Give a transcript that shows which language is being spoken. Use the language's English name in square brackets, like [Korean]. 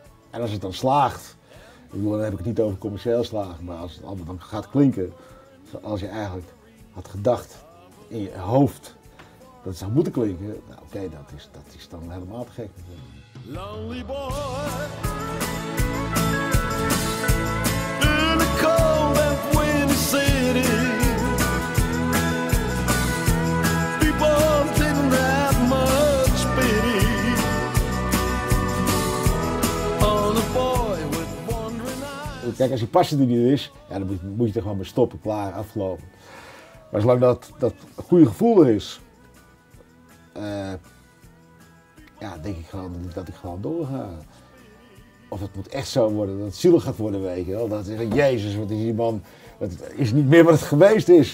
[Dutch] En als het dan slaagt, ik bedoel, dan heb ik het niet over commercieel slagen, maar als het allemaal dan gaat klinken, als je eigenlijk had gedacht in je hoofd dat het zou moeten klinken. Nou, oké, dat is dan helemaal te gek. [English] Lonely boy in a cold and windy city. People didn't have much pity on a boy with wandering eyes. [Dutch] Kijk, als die passie er niet is, ja, dan moet je er gewoon mee stoppen, klaar, afgelopen. Maar zolang dat goede gevoel er is, denk ik gewoon dat ik gewoon doorga. Of het moet echt zo worden, dat het zielig gaat worden, weet je wel. Dat is een Jezus, wat is die man, dat is niet meer wat het geweest is.